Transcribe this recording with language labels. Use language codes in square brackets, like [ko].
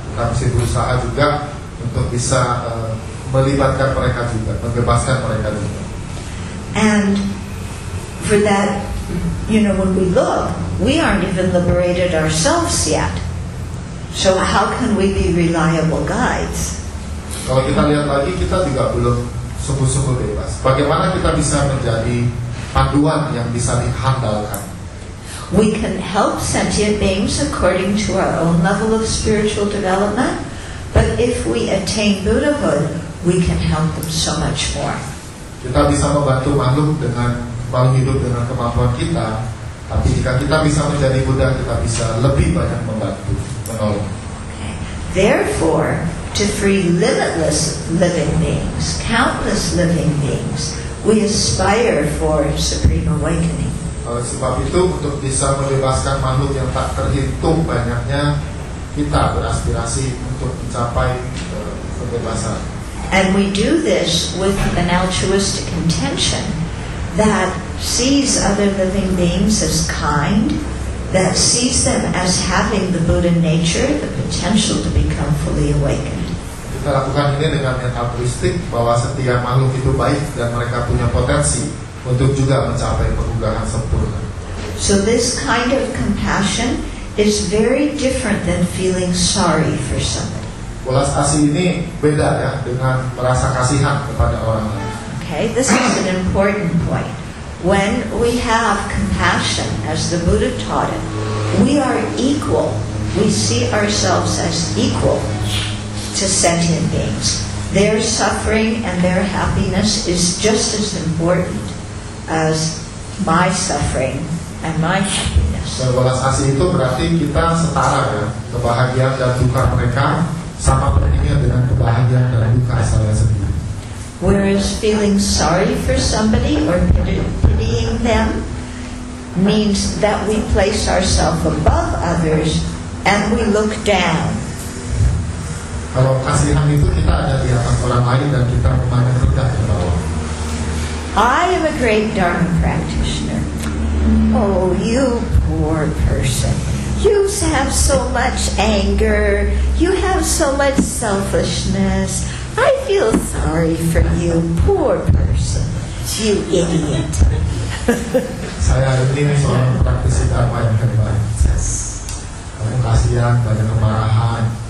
[id] Kita mesti berusaha juga untuk bisa melibatkan mereka juga, membebaskan mereka juga. [en] And for that, you know, when we look, we aren't even liberated ourselves yet. So how can we be reliable guides? [id] Kalau kita lihat lagi, kita juga belum sungguh-sungguh bebas. Bagaimana kita bisa menjadi panduan yang bisa diandalkan? [en] We can help sentient beings according to our own level of spiritual development, but if we attain Buddhahood, we can help them so much more. [id] Kita bisa membantu makhluk dengan bahwa hidup dengan kemampuan kita, tapi jika kita bisa menjadi Buddha, kita bisa lebih banyak membantu, menolong. [en] Therefore, to free limitless living beings, countless living beings, we aspire for supreme awakening. [id] Oleh sebab itu, untuk bisa membebaskan makhluk yang tak terhitung banyaknya, kita beraspirasi untuk mencapai kebebasan. [en] And we do this with an altruistic intention that sees other living beings as kind, that sees them as having the Buddha nature, the potential to become fully awakened. [id] Kita lakukan ini dengan niat altruistik bahwa setiap makhluk itu baik dan mereka punya potensi untuk juga mencapai kebugaran sempurna. [en] So this kind of compassion is very different than feeling sorry for somebody. [id] Belas kasih ini beda ya dengan merasa kasihan kepada orang lain. [en] Okay, this is an important point. When we have compassion, as the Buddha taught it, we are equal. We see ourselves as equal to sentient beings. Their suffering and their happiness is just as important as my suffering and my happiness. [id] Berbalas kasih itu berarti kita setara ya. Kebahagiaan dan duka mereka sama pentingnya dengan kebahagiaan dan duka saya sendiri. [en] Whereas feeling sorry for somebody or pitying them means that we place ourselves above others and we look down. [id] Kalau kasihan itu kita ada di atas orang lain dan kita memandang rendah ke bawah. [en] I am a great Dharma practitioner. Oh, you poor person. You have so much anger. You have so much selfishness. I feel sorry for you, poor person. You idiot. [id] Saya ini seorang praktisi Dharma yang hebat. Kamu kasihan, banyak kemarahan.